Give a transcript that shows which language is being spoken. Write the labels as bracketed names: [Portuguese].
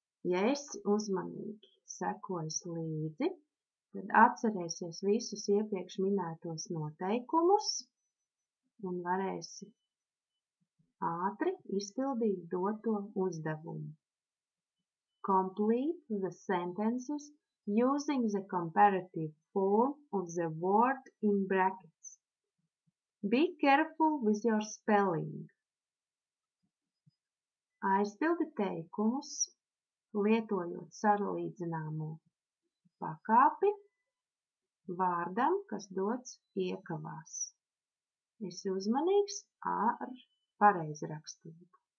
[Latvian] Ja esi uzmanīgi sekojis līdzi, tad atcerēsies visus iepriekš minētos noteikumus un varēsi ātri izpildīt doto uzdevumu. [English] Complete the sentences using the comparative form of the word in brackets. Be careful with your spelling. [Latvian] Aizpildi teikumus, lietojot salīdzināmo pakāpi vārdam, kas dots iekavās. Esi uzmanīgs ar pareizrakstību.